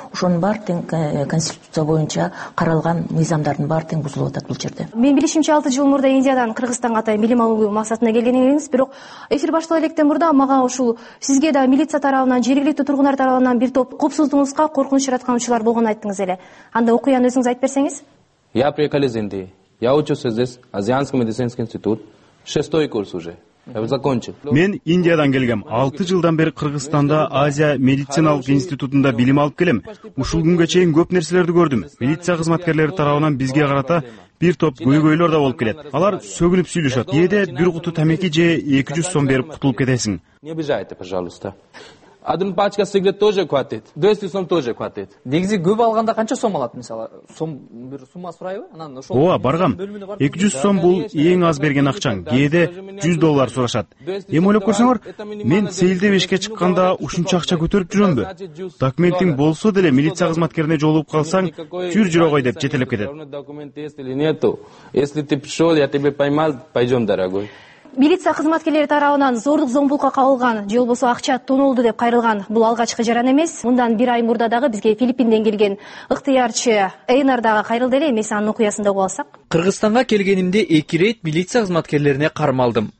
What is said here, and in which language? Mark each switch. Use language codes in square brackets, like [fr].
[ky] Ошонун баары тең конституция боюнча каралган мыйзамдардын баары тең бузулуп атат бул жерде. Мен билишимче 6 жыл мурда Индиядан Кыргызстанга атайын билим алуу максатына келген элебиз, бирок эфир баштала электен мурда мага ушул сизге да милиция тарабынан, жергиликтүү тургундар тарабынан бир топ коопсуздугуңузга коркунуч жараткан учурлар болгонун айттыңыз эле. Анда окуяны өзүңүз айтып берсеңиз. [ru] Я приехал из Индии. Я учусь здесь, Азианский медицинский институт. 6-й курс уже. [ky] Мен Индиядан келгем. 6 жылдан бери Кыргызстанда Азия медициналык институтунда билим алып келем. Ушул күнгө чейин көп нерселерди көрдүм. Милиция кызматкерлери тарабынан бизге карата бир топ көйгөйлөр да болуп келет. Алар сөгүнүп сүйлөшөт. Эйде бир куту тамеки же 200 сом берип кутулуп кетесиң. [ru] Не обижайте, пожалуйста. Адын пачка сигарет тоже хватит. 200 сом тоже хватит. [ky] Негизи көп алганда канча сом алат мисалы? Сом бир сумма сурайбы? Анан ошол. Ооба, баргам. 200 сом бул эң аз берген акчаң. Кээде 100 доллар сурашат. Эми ойлоп көрсөңөр, мен сейилде бешке чыкканда ушунча акча көтөрүп жүрөмбү? Документиң болсо деле милиция кызматкерине жолугуп калсаң, жүр жүрөгөй деп жетелеп кетет. [ru] Если ты пришёл, я тебя поймал, пойдём, дорогой. [ky] Милиция кызматкерлери тарабынан зордук-зомбулукка кабылган, же болбосо акча тонолду деп кайрылган бул алгачкы жаран эмес. Мындан бир ай мурда дагы бизге Филиппинден келген ыктыярчы Эйнар дагы кайрылды эле, эмесе анын окуясында угалсак. Кыргызстанга келгенимде 2 рейт милиция кызматкерлерине кармалдым.